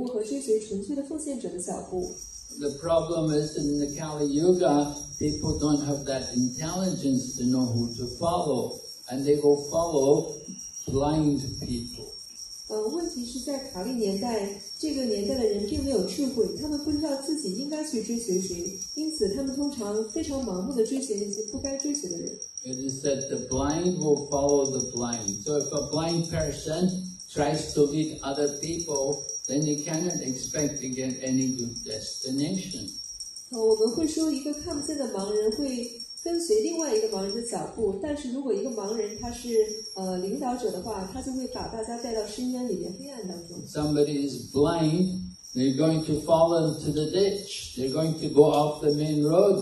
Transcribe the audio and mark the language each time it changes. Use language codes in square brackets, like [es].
[en] The problem is in the Kali Yuga, people don't have that intelligence to know who to follow. And they will follow blind people. [zh] 问题是在卡利年代，这个年代的人并没有智慧，他们不知道自己应该去追随谁，因此他们通常非常盲目的追随那些不该追随的人。 [en] It is said the blind will follow the blind. So if a blind person tries to lead other people, then he cannot expect to get any good destination. [zh] 我们会说一个看不见的盲人会 跟随另外一个盲人的脚步，但是如果一个盲人他是领导者的话，他就会把大家带到深渊里面，黑暗当中。 [en] Somebody is blind, they're going to fall into the ditch. They're going to go off the main road.